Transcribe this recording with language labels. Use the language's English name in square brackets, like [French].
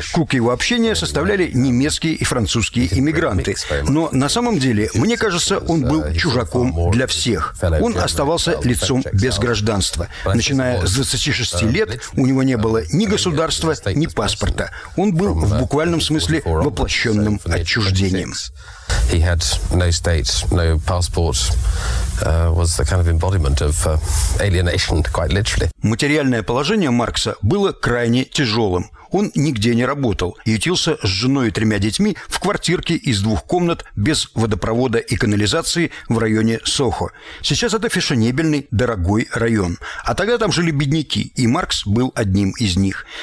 [Russian] Круг его общения составляли немецкие и французские иммигранты. Но на самом деле, мне кажется, он был чужаком для всех. Он оставался лицом без гражданства. Начиная с 26 лет, у него не было ни государства, ни паспорта. Он был в буквальном смысле воплощенным отчуждением. [English] He had no state, no passport, was the kind of embodiment of alienation, quite literally. [Russian] Материальное положение Маркса было крайне тяжелым. Он нигде не работал, ютился с женой и 3 детьми в квартирке из 2 комнат без водопровода и канализации в районе Сохо. Сейчас это фешенебельный, дорогой район. А тогда там жили бедняки, и Маркс был одним из них.